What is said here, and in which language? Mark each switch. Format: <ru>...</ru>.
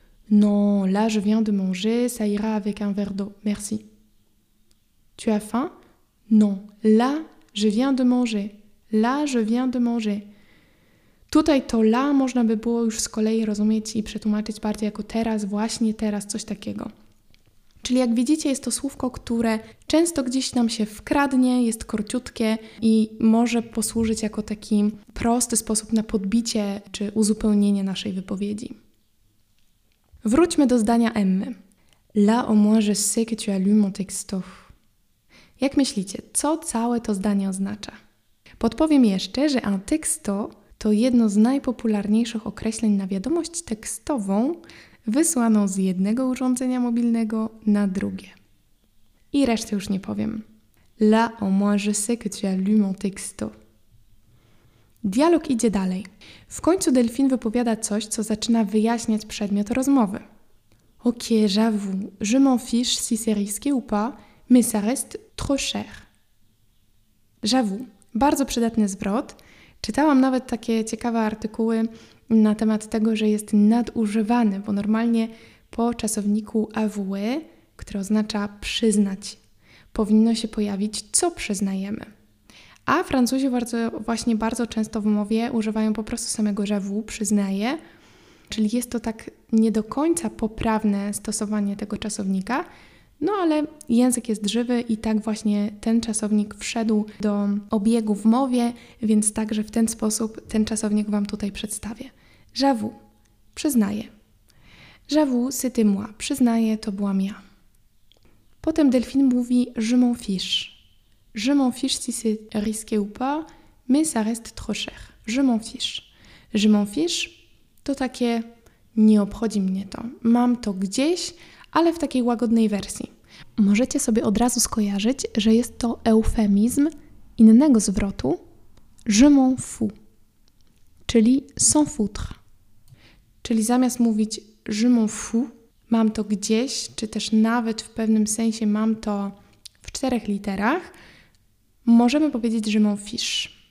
<fr>Non, là je viens de manger, ça ira avec un verre d'eau. Merci. Tu as faim? Non, là je viens de manger. Là je viens de manger.</fr> <pl>Tutaj to là można by było już z kolei rozumieć i przetłumaczyć bardziej jako teraz, właśnie teraz, coś takiego. Czyli jak widzicie, jest to słówko, które często gdzieś nam się wkradnie, jest króciutkie i może posłużyć jako taki prosty sposób na podbicie czy uzupełnienie naszej wypowiedzi. Wróćmy do zdania Emmy.</pl> <fr>Là au moins je sais que tu as lu mon texto.</fr> <pl>Jak myślicie, co całe to zdanie oznacza? Podpowiem jeszcze, że un texto to jedno z najpopularniejszych określeń na wiadomość tekstową, wysłaną z jednego urządzenia mobilnego na drugie. I resztę już nie powiem.</pl> <fr>Là au moins je sais que tu as lu mon texto.</fr> <pl>Dialog idzie dalej. W końcu Delphine wypowiada coś, co zaczyna wyjaśniać przedmiot rozmowy.</pl> <fr>Ok, j'avoue, je m'en fiche si c'est risqué ou pas, mais ça reste trop cher.</fr> <pl>J'avoue, bardzo przydatny zwrot. Czytałam nawet takie ciekawe artykuły na temat tego, że jest nadużywany, bo normalnie po czasowniku avouer, który oznacza przyznać, powinno się pojawić, co przyznajemy. A Francuzi bardzo często w mowie używają po prostu samego j'avoue, przyznaję, czyli jest to tak nie do końca poprawne stosowanie tego czasownika, No ale język jest żywy i tak właśnie ten czasownik wszedł do obiegu w mowie, więc także w ten sposób ten czasownik Wam tutaj przedstawię. J'avoue, przyznaję.</pl> <fr>J'avoue, c'était moi,</fr> <pl>przyznaję, to byłam ja. Potem Delphine mówi,</pl> <fr>je m'en fiche. Je m'en fiche si c'est risqué ou pas, mais ça reste trop cher. Je m'en fiche. Je m'en fiche</fr> <pl>to takie, nie obchodzi mnie to. Mam to gdzieś, ale w takiej łagodnej wersji. Możecie sobie od razu skojarzyć, że jest to eufemizm innego zwrotu.</pl> <fr>Je m'en fous.</fr> <pl>Czyli sans foutre. Czyli zamiast mówić</pl> <fr>je m'en fous,</fr> <pl>mam to gdzieś, czy też nawet w pewnym sensie mam to w czterech literach, możemy powiedzieć</pl> <fr>je m'en fiche.</fr>